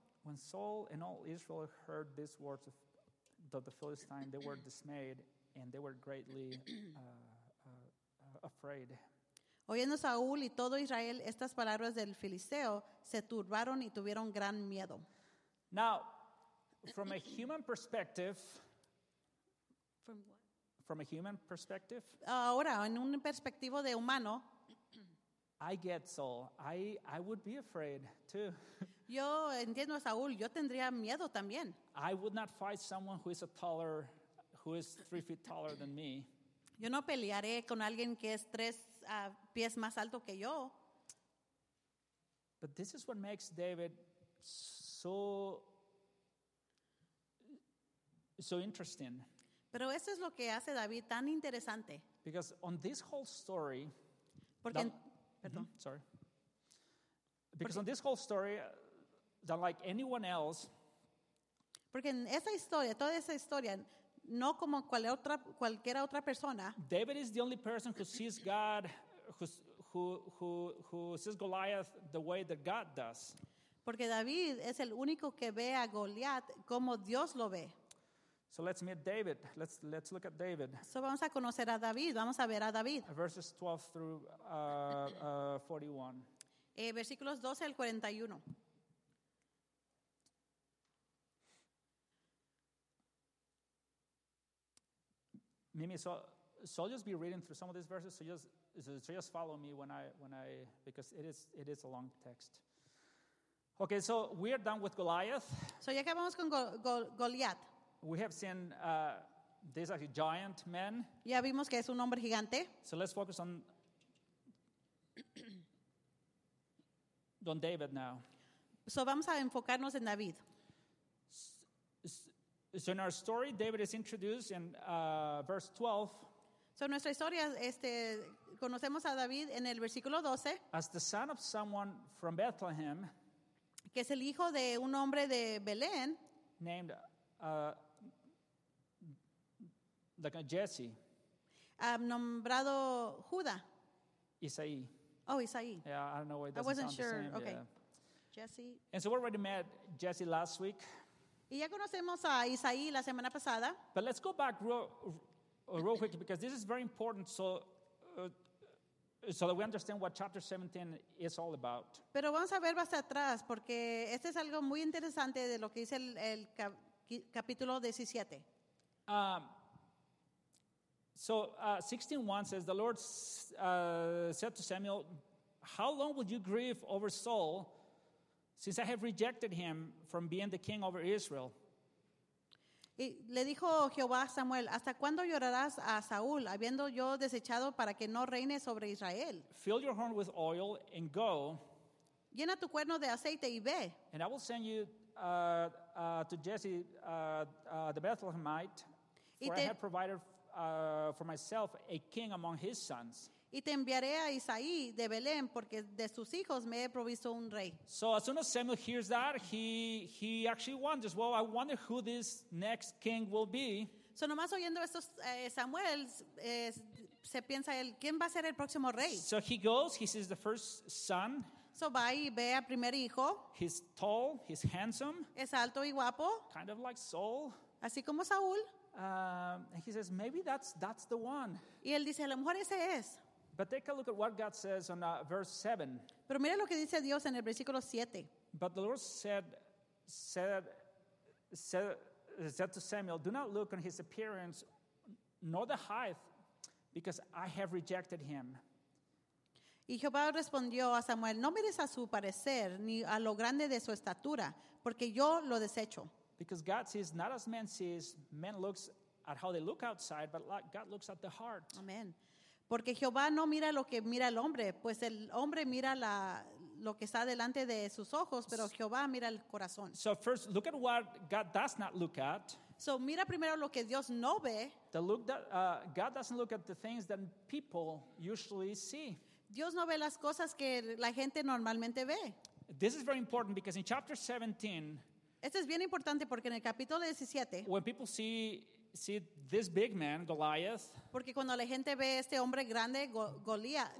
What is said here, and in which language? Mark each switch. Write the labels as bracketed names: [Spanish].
[English] When Saul and all Israel heard these words of the Philistine, they were dismayed and they were greatly afraid. [Spanish] Oyendo Saúl y todo Israel estas palabras del Filisteo, se turbaron y tuvieron gran miedo. [English] Now, from a human perspective, from what? From a human perspective. [Spanish] Ahora, en un perspectivo de humano, [English] I get Saul. I would be afraid too. [Spanish] Yo entiendo a Saúl. Yo tendría miedo también. [English] I would not fight someone who is who is 3 feet taller than me. [Spanish] Yo no pelearé con alguien que es tres pies más alto que yo. [English] But this is what makes David so interesting. [Spanish] Pero eso es lo que hace David tan interesante. [English] Because on this whole story, on this whole story, unlike anyone else, [Spanish] porque en esa historia, toda esa historia, no como cualquier otra persona. [English] David is the only person who sees God, who sees Goliath the way that God does. [Spanish] Porque David es el único que ve a Goliath como Dios lo ve. [English] So let's meet David. Let's look at David. [Spanish] So vamos a conocer a David. Vamos a ver a David. [English] Verses 12 through 41. [Spanish] Versículos 12 al 41. [English] Mimi, so I'll just be reading through some of these verses. So just follow me when I because it is a long text. Okay, so we are done with Goliath. [Spanish] So ya acabamos con Goliath. [English] We have seen this as a giant man. [Spanish] Ya vimos que es un hombre gigante. [English] So let's focus on David now. [Spanish] So vamos a enfocarnos en David. [English] So in our story, David is introduced in verse 12. [Spanish] So nuestra historia, conocemos a David en el versículo 12. [English] As the son of someone from Bethlehem. [Spanish] que es el hijo de un hombre de Belén, [English] named like Jesse, [Spanish] nombrado Judá, Isaí. [English] Oh, Isaí. Yeah, I don't know why it doesn't sound sure. The same. Okay. Yeah. Jesse. And so we already met Jesse last week. [Spanish] Y ya conocemos a Isaí la semana pasada. [English] But let's go back real quick because this is very important. So that we understand what chapter 17 is all about. [Spanish] Pero vamos a ver hasta atrás porque este es algo muy interesante de lo que dice el capítulo 17. [English] So 16:1 says, the Lord said to Samuel, how long will you grieve over Saul since I have rejected him from being the king over Israel? [Spanish] Y le dijo Jehová a Samuel, ¿hasta cuándo llorarás a Saúl, habiendo yo desechado para que no reine sobre Israel? [English] Fill your horn with oil and go. [Spanish] Llena tu cuerno de aceite y ve. [English] And I will send you to Jesse, the Bethlehemite, for I have provided for myself a king among his sons. [Spanish] Y te enviaré a Isaí de Belén, porque de sus hijos me he provisto un rey. [English] So as soon as Samuel hears that, he actually wonders, well, I wonder who this next king will be. [Spanish] So nomás oyendo esto, Samuel, se piensa él, ¿quién va a ser el próximo rey? [English] So he goes, he sees the first son. [Spanish] So va y ve a primer hijo. [English] He's tall, he's handsome. [Spanish] Es alto y guapo. [English] Kind of like Saul. [Spanish] Así como Saúl. [English] And he says, maybe that's the one. [Spanish] Y él dice, a lo mejor ese es. [English] But take a look at what God says on verse 7. [Spanish] Pero mira lo que dice Dios en el versículo 7. [English] But the Lord said to Samuel, do not look on his appearance, nor the height, because I have rejected him. [Spanish] Y Jehová respondió a Samuel, no mires a su parecer, ni a lo grande de su estatura, porque yo lo desecho. [English] Because God sees not as man sees. Man looks at how they look outside, but God looks at the heart. Amen. [Spanish] Porque Jehová no mira lo que mira el hombre, pues el hombre mira lo que está delante de sus ojos, pero Jehová mira el corazón. [English] So first, look at what God does not look at. [Spanish] So mira primero lo que Dios no ve. [English] The look that God doesn't look at the things that people usually see. [Spanish] Dios no ve las cosas que la gente normalmente ve. [English] This is very important because in chapter 17. [Spanish] Esto es bien importante porque en el capítulo 17. [English] When people see this big man, Goliath. [Spanish] Porque cuando la gente ve este hombre grande, Goliath.